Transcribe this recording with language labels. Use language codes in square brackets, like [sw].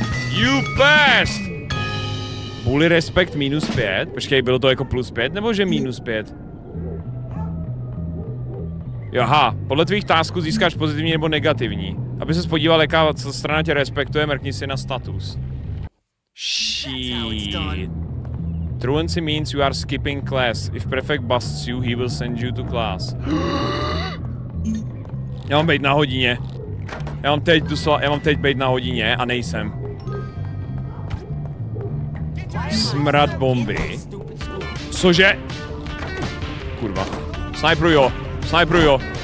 [en] You best! Bully respect minus 5? [cs] Počkej, bylo to jako plus 5 nebo že minus 5? Aha, podle tvých tásků získáš pozitivní nebo negativní. Aby ses podíval, jaká strana tě respektuje, mrkni si na status. [en] Shit. Truancy means you are skipping class. If prefect busts you, he will send you to class. [cs] Já mám bejt na hodině. Já mám teď bejt na hodině a nejsem. Smrad bomby. Cože? Kurva. Snipruj ho.